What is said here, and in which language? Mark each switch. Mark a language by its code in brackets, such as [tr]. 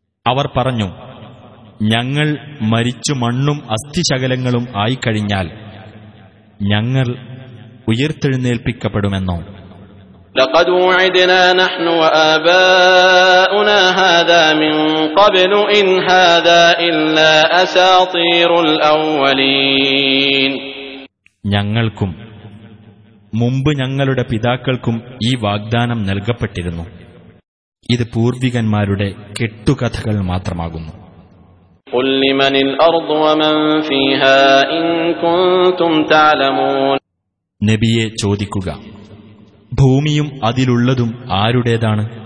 [ml] അവർ പറഞ്ഞു, ഞങ്ങൾ മരിച്ചു മണ്ണും അസ്ഥിശകലങ്ങളും ആയിക്കഴിഞ്ഞാൽ ഞങ്ങൾ ഉയർത്തെഴുന്നേൽപ്പിക്കപ്പെടുമെന്നോ? [ar] لقد وعدنا نحن وآباؤنا هذا من قبل إن هذا إلا أساطير الأولين. [ml] ഞങ്ങൾക്കും മുമ്പ് ഞങ്ങളുടെ പിതാക്കൾക്കും ഈ വാഗ്ദാനം നൽകപ്പെട്ടിരുന്നു. ഇത് പൂർവികന്മാരുടെ കെട്ടുകഥകൾ മാത്രമാകുന്നു. [ar] قل لمن الأرض ومن فيها إن كنتم تعلمون. [ml] നബിയെ ചോദിക്കുക, ഭൂമിയും അതിലുള്ളതും ആരുടേതാണ്?